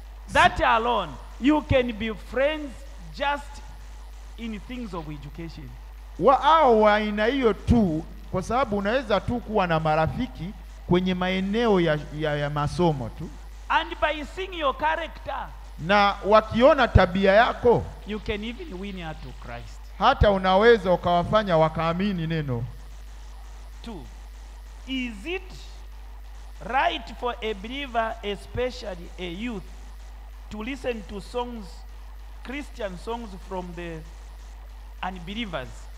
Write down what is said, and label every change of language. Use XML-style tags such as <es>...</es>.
<en>That alone you can be friends just in things of education.</en> <sw>Wa aina hiyo tu kwa sababu unaweza tu kuwa na marafiki kwenye maeneo ya masomo tu.</sw> <en>And by seeing your character.</en> <sw>Na wakiona tabia yako,</sw> <en>you can even win her to Christ.</en> <sw>Hata unaweza ukawafanya wakaamini neno.</sw> <en>Two. Is it right for a believer, especially a youth, to listen to songs, Christian songs from the unbelievers?</en>